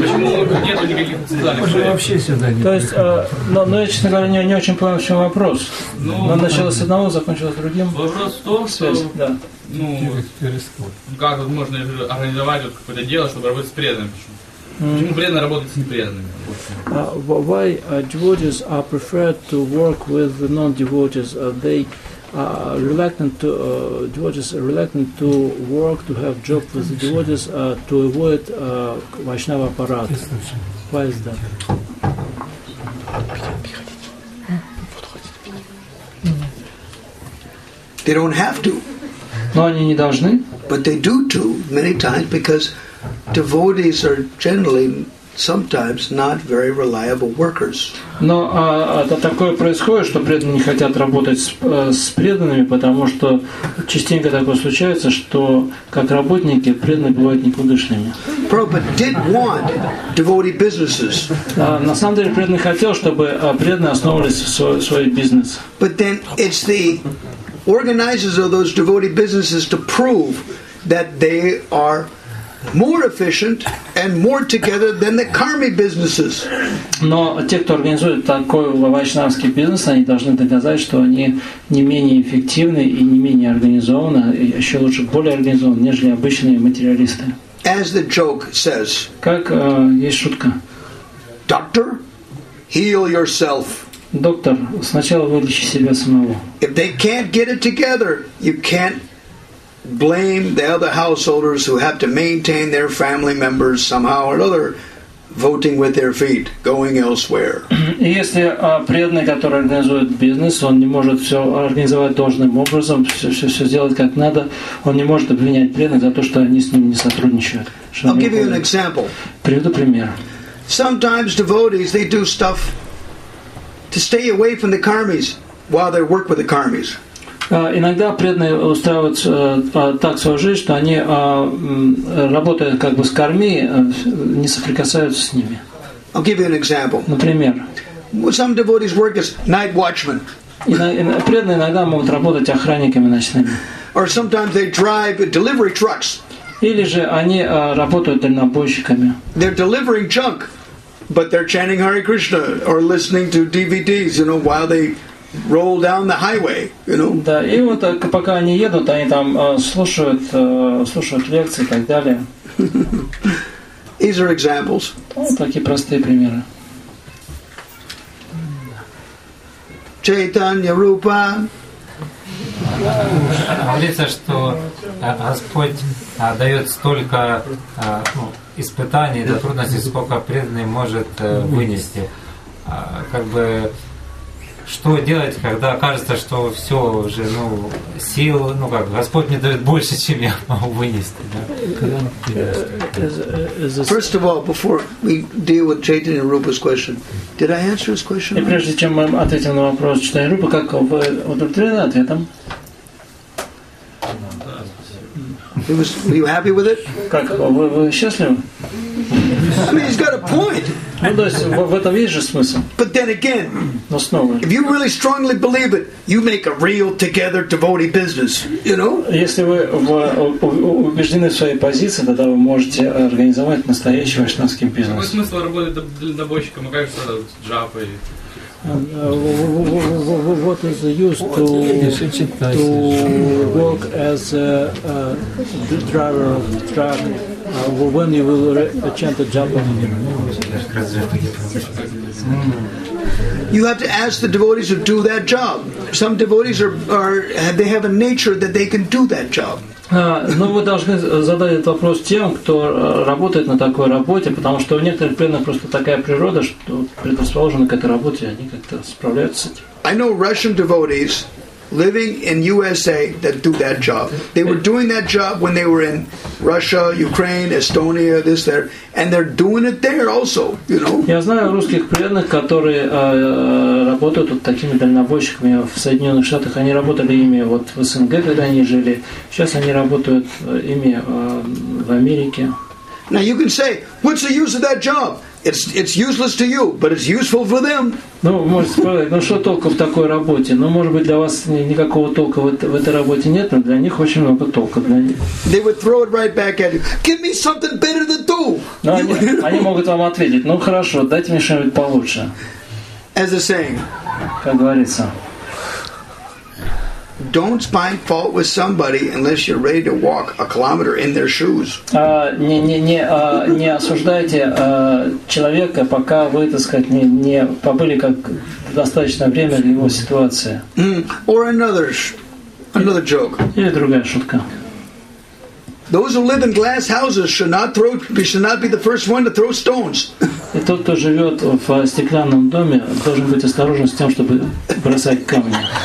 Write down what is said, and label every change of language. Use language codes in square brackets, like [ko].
[ru] Почему нету никаких социальных проектов? Вообще сюда не то есть, но я, честно говоря, не очень понял, в чем вопрос. Ну, он начался с одного, закончился с другим. Вопрос в том, что... Да. Ну, как вот можно организовать вот какое-то дело, чтобы работать с преданными? Почему преданные работают с непреданными? [en] Why devotees are preferred to work with the non-devotees? They are reluctant to devotees are reluctant to work to have job with the devotees to avoid Vaishnava aparat. Why is that? They don't have to. [ru] Но они не должны. [en] But they do too many times because devotees are generally sometimes not very reliable workers. [ru] Но это такое происходит, что преданные не хотят работать с преданными, потому что частенько такое случается, что как работники преданные бывают никудышными. [en] Prabhupada did want devotee businesses. [ru] На самом деле преданный хотел, чтобы преданные основывались свой бизнес. [en] But then it's the organizers of those devotee businesses to prove that they are more efficient and more together than the karmi businesses. [ru] Но те, кто организует такой вайшнавский бизнес, они должны доказать, что они не менее эффективны и не менее организованы, и еще лучше более организованы, нежели обычные материалисты. [en] As the joke says. [ru] Как есть шутка. [en] Doctor, heal yourself. [ru] Доктор, сначала вылечи себя самого. [en] If they can't get it together, you can't blame the other householders who have to maintain their family members somehow or another, voting with their feet, going elsewhere. [ru] Если преданный, который организует бизнес, он не может все организовать должным образом, все сделать как надо, он не может обвинять преданных за то, что они с ним не сотрудничают. [en] I'll give you an example. [ru] Приведу пример. [en] Sometimes devotees, they do stuff to stay away from the karmis while they work with the karmis. [ru] Иногда преданные устраивают так свою жизнь, что они работают как бы с карми, не соприкасаются с ними. [en] I'll give you an example. [ru] Например. [en] Some devotees work as night watchmen. [ru] Преданные иногда могут работать охранниками ночными. [en] Or sometimes they drive delivery trucks. [ru] Или же они работают дальнобойщиками. [en] They're delivering junk. But they're chanting Hare Krishna or listening to DVDs, you know, while they roll down the highway, you know. [ru] Да, и вот пока они едут, они там слушают лекции и так далее. [en] These are examples. [ru] Вот такие простые примеры. Чайтанья Рупа. Говорится, что Господь дает столько испытаний, трудностей, сколько преданный может вынести. Как бы, что делать, когда кажется, что все уже, ну, сил, ну как, Господь мне дает больше, чем я могу вынести. Да? [en] First of all, before we deal with Chaitanya Rupa's question, did I answer his question? [ru] И прежде чем мы ответим на вопрос Чайтанья Рупы, как вы удовлетворены ответом? [en] Were you happy with it? [ru] Как, вы счастливы? [en] I mean, he's got a point. [ru] Ну, то есть, в этом есть же смысл. [en] But then again, [ru] но снова, [en] if you really strongly believe it, you make a real together devotee business, you know? [ru] Если вы убеждены в своей позиции, тогда вы можете организовать настоящий вайшнавский бизнес. Какой смысл работать дальнобойщиком, как же джапой? [en] What is the use to work as a driver of truck When you will chant the japa. You have to ask the devotees to do that job. Some devotees they have a nature that they can do that job. [ru] Но вы должны задать этот вопрос тем, кто работает на такой работе, потому что у некоторых преданных просто такая природа, что предрасположены к этой работе, они как-то справляются с этим. [en] I know Russian devotees living in USA that do that job. They were doing that job when they were in Russia, Ukraine, Estonia, this, there, and they're doing it there also, you know. [ru] Я знаю русских преданных, которые работают вот такими дальнобойщиками в Соединенных Штатах. Они работали ими вот в СНГ, когда они жили. Сейчас они работают ими в Америке. [en] Now you can say, what's the use of that job? It's useless to you, but it's useful for them. [ru] Ну, можете сказать, ну что толку в такой работе? Ну, может быть, для вас никакого толка в этой работе нет, но для них очень много толка. [en] They would throw it right back at you. Give me something better than two. [ru] Они могут вам ответить, ну хорошо, дайте мне что-нибудь получше. [en] As a saying. [ru] Как говорится. [en] Don't find fault with somebody unless you're ready to walk a kilometer in their shoes. [ru] Не осуждайте человека, пока вы, так сказать, не побыли как достаточное время для его ситуации. [en] Or another joke. [ru] Или другая шутка. [en] Those who live in glass houses should not be the first one to throw stones. [ru] И тот, кто живет в стеклянном доме, должен быть осторожен с тем, чтобы бросать камни.